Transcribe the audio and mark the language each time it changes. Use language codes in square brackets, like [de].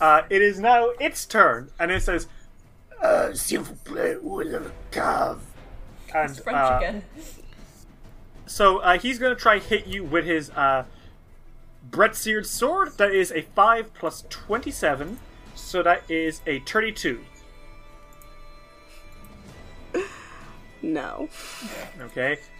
[en] It is now its turn, and it says... [fr] S'il vous plaît, où est le cave? [en] And, it's French again. So he's going to try hit you with his Bret-seared sword. That is a 5 plus 27. So that is a 32. No. Okay.